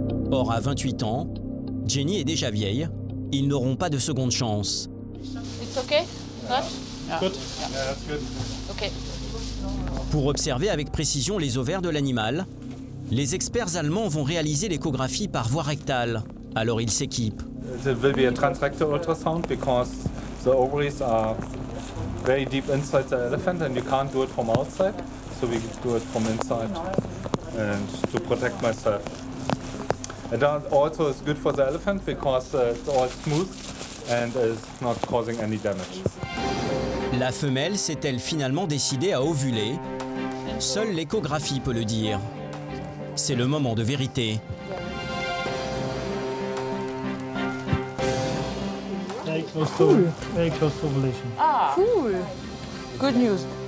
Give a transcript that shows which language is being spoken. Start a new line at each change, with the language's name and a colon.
French: Or, à 28 ans, Jenny est déjà vieille. Ils n'auront pas de seconde chance.
English: It's okay? Good? Yeah. Good. Yeah. Yeah, that's good. Okay.
French: Pour observer avec précision les ovaires de l'animal, les experts allemands vont réaliser l'échographie par voie rectale. Alors ils s'équipent.
English: There will be a transrectal ultrasound because the ovaries are very deep inside the elephant and you can't do it from outside. So we do it from inside and to protect myself. And also it's good for the elephant because it's all smooth and is not causing any damage.
French: La femelle s'est-elle finalement décidée à ovuler? Seule l'échographie peut le dire. C'est le moment de vérité.
English: Cool. Good news.